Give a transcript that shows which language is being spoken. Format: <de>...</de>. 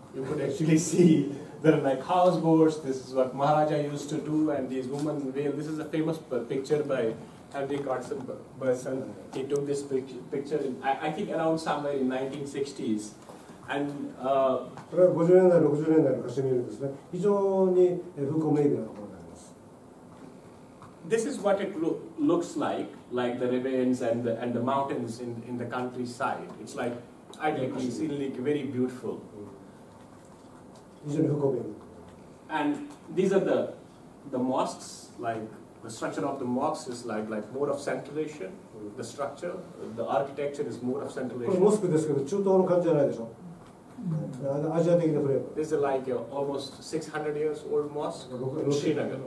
<en>You could actually see there are like houseboats. This is what Maharaja used to do, and these women veil. This is a famous picture by Henry Carson Burson. He took this picture in, I think around somewhere in 1960s. And,</en> <ja>これは50年代、60年代のカシミールですね。非常に風光明媚なところになります。</ja> <en>This is what it looks like, like the ravines and the mountains in the countryside. It's like, I think it's like very beautiful.</en> <ja>非常に風光明媚。</ja> <en>And these are the mosques, like the structure of the mosques is like more of centralization. The structure, the architecture is more of centralization.</en> <ja>これモスクですけど、中東の感じじゃないでしょ。アジア的なフレーム。</ja> <en>This is like almost 600 years old mosque in Srinagar.</en>